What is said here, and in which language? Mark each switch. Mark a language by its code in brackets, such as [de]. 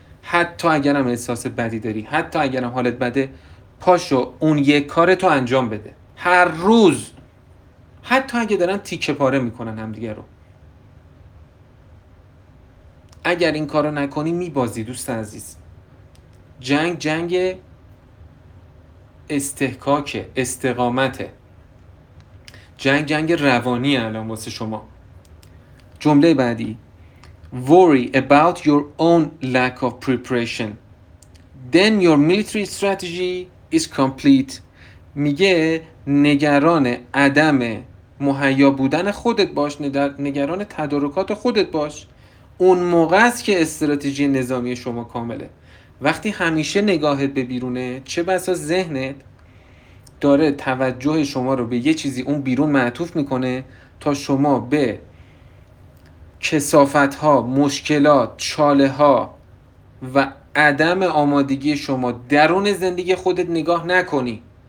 [fa] حتی اگرم احساس بدی داری، حتی اگرم حالت بده، پاشو اون یک کارتو انجام بده هر روز، حتی اگه دارن تیکه پاره میکنن همدیگه رو. اگر این کارو نکنی میبازی دوست عزیز. جنگ جنگ استحکاکه، استقامته، جنگ جنگ روانیه الان واسه شما. جمله بعدی، [en] worry about your own lack of preparation, then your military strategy is complete. [fa] میگه نگران عدم مهیا بودن خودت باش، نگران تدارکات خودت باش، اون موقع است که استراتژی نظامی شما کامله. وقتی همیشه نگاهت به بیرونه، چه بسا ذهنت داره توجه شما رو به یه چیزی اون بیرون معطوف میکنه تا شما به کثافت ها، مشکلات، چاله ها و عدم آمادگی شما درون زندگی خودت نگاه نکنی.